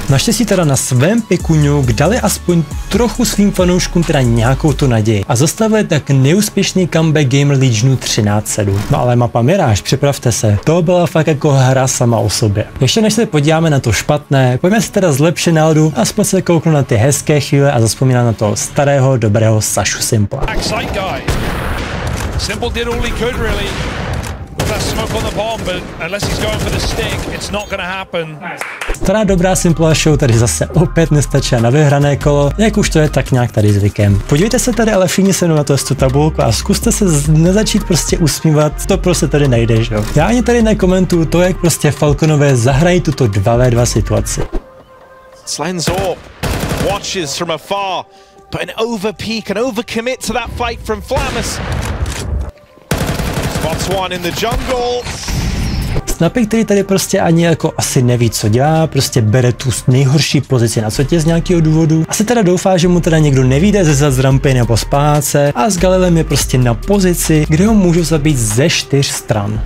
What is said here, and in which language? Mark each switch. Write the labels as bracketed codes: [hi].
[cs] Naštěstí teda na svém pekuňu dali aspoň trochu svým fanouškům teda nějakou tu naději a zastavili tak neúspěšný comeback Gamer Legionu 13-7. No ale mapa Mirage, připravte se, to byla fakt jako hra sama o sobě. Ještě než se podíváme na to špatné, pojďme se teda zlepšit náladu a aspoň se kouknout na ty hezké chvíle a zazpomínat na toho starého, dobrého Sašu Simpla. [en] Simple did all he could really. That's smoke on the bomb, but unless he's going for the stick, it's not gonna happen. [cs] Teda dobrá Simple Show tady zase opět nestačí na vyhrané kolo, jak už to je tak nějak tady zvykem. Podívejte se tady ale všichni se na tu tabulku a zkuste se nezačít prostě usmívat, to prostě tady nejde, že jo. Já ani tady nekomentuju to, jak prostě Falconové zahrají tuto 2v2 situaci. [en] Slenzorp watches from afar, but an overpeak, an overcommit to that fight from Flamus. Spots one in the jungle. [cs] Snapy, který tady prostě ani jako asi neví, co dělá, prostě bere tu nejhorší pozici na světě z nějakého důvodu. Asi teda doufá, že mu teda někdo nevíde ze zad z rampy nebo z páce a s Galilem je prostě na pozici, kde ho můžu zabít ze 4 stran.